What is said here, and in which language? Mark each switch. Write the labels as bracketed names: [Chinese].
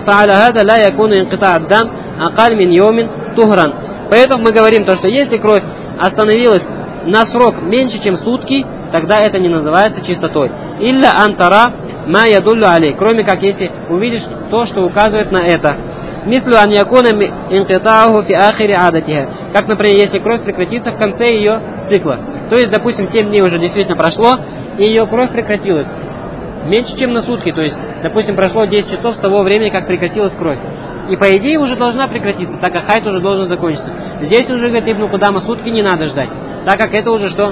[Arabic] فَعَلَى هَذَا لَا يَكُونُ إِنْقِطَعَ الدَّمْ أَقَلْ مِنْ يَوْمٍ تُهْرًا. [Russian] Поэтому мы говорим то, что если кровь остановилась на срок меньше, чем сутки, тогда это не называется чистотой. [Arabic] إِلَّا أَنْ تَرَى مَا يَدُلُّ عَلَيْهِ. [Russian] Кроме как если увидишь то, что указывает на это. [Arabic] مِثْلُ أَنْ يَكُونَ إِنْقِطَعُهُ فِي آخِرِ عَادَتِهَا. [Russian] Как, например, если кровь прекратится в конце ее цикла. То есть, допустим, 7 дней уже действительно прошло, и ее кровь прекратилась. Меньше, чем на сутки, то есть, допустим, прошло 10 часов с того времени, как прекратилась кровь. И по идее уже должна прекратиться, так как хайд уже должен закончиться. Здесь уже, говорит, Ибн Кудама, сутки не надо ждать, так как это уже что?